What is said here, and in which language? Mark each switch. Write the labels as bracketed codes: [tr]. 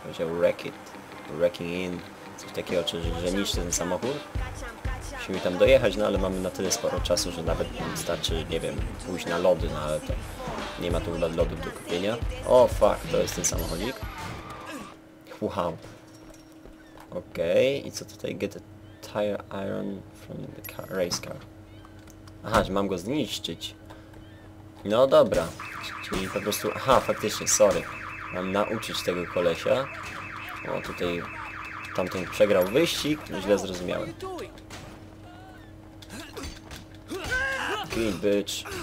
[pl] Powiedział [en] wreck it, wrecking in. [pl] Coś takiego, czyli że niszczy ten samochód. Musimy tam dojechać, no ale mamy na tyle sporo czasu, że nawet wystarczy, nie wiem, pójść na lody, no ale to nie ma tu chyba lodów do kupienia. O, fuck, to jest ten samochodzik. Wow. Okej, okay. I co tutaj? [en] Get a tire iron from the car, race car. [pl] Aha, że mam go zniszczyć. No dobra, czyli po prostu... Aha, faktycznie, sorry. Mam nauczyć tego kolesia. O, tutaj tamten przegrał wyścig, źle zrozumiałem. [en] Clean bitch.